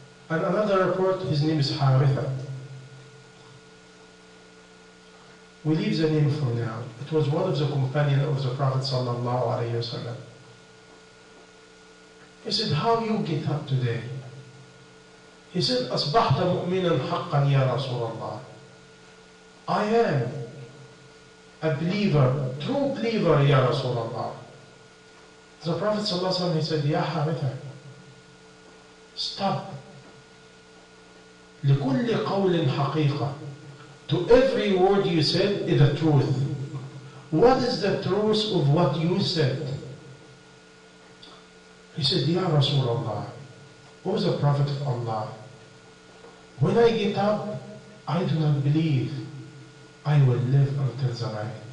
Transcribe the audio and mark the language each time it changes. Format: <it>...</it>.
<en>And another report, his name is Haritha. We leave the name for now. It was one of the companions of the Prophet sallallahu alayhi wa sallam. He said, how you get up today? He said,</en> <ar>أصبحت مؤمنا حقا يا رسول الله.</ar> <en>I am a believer, true believer,</en> <ar>يا رسول الله.</ar> <en>The Prophet صلى الله عليه وسلم, he said,</en> <ar>يا حارثة,</ar> <en>stop.</en> <ar>لكل قول حقيقة.</ar> <en>To every word you said is the truth. What is the truth of what you said? He said, Ya Rasulullah, O the Prophet of Allah, when I get up, I do not believe I will live until the night.</en>